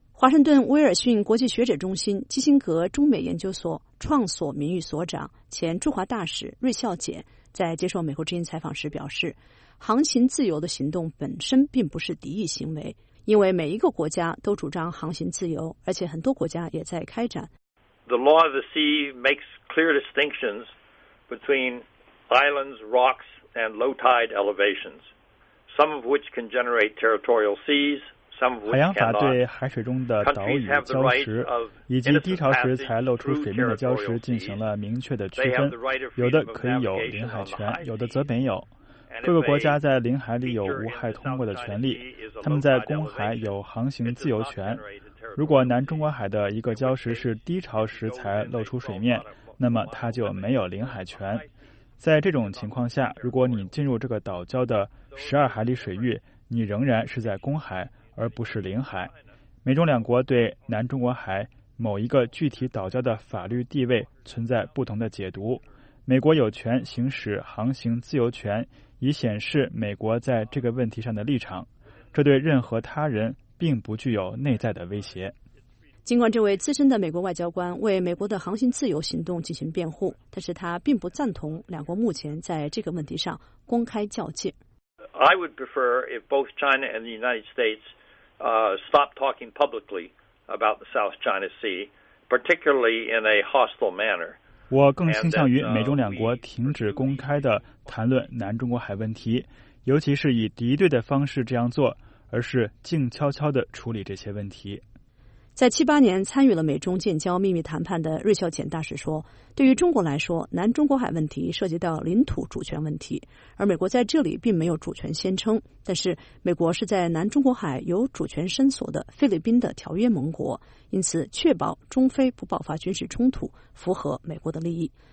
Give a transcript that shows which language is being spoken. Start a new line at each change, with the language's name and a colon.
Chinese: 华盛顿威尔逊国际学者中心基辛格中美研究所创所名誉所长、前驻华大使芮孝简在接受美国之音采访时表示，航行自由的行动本身并不是敌意行为，因为每一个国家都主张航行自由，而且很多国家也在开展。
English: The law of the sea makes clear distinctions between islands, rocks, and low tide elevations, some of which can generate territorial seas, some of which cannot.
Chinese: 海洋法对海水中的岛屿、礁石以及低潮时才露出水面的礁石进行了明确的区分，有的可以有领海权，有的则没有。各个国家在领海里有无害通过的权利，他们在公海有航行自由权。如果南中国海的一个礁石是低潮时才露出水面，那么它就没有领海权。在这种情况下，如果你进入这个岛礁的12海里水域，你仍然是在公海而不是领海。美中两国对南中国海某一个具体岛礁的法律地位存在不同的解读。美国有权行使航行自由权，以显示美国在这个问题上的立场，这对任何他人并不具有内在的威胁。尽管这位资深的美国外交官为美国的航行自由行动进行辩护，但是他并不赞同两国目前在这个问题上公开较劲。
English: I would prefer if both China and the United States stop talking publicly about the South China Sea, particularly in a hostile manner.
Chinese: 我更倾向于美中两国停止公开的谈论南中国海问题，尤其是以敌对的方式这样做，而是静悄悄地处理这些问题。在78年参与了美中建交秘密谈判的芮孝简大使说，对于中国来说，南中国海问题涉及到领土主权问题，而美国在这里并没有主权宣称，但是美国是在南中国海有主权申索的菲律宾的条约盟国，因此确保中非不爆发军事冲突符合美国的利益。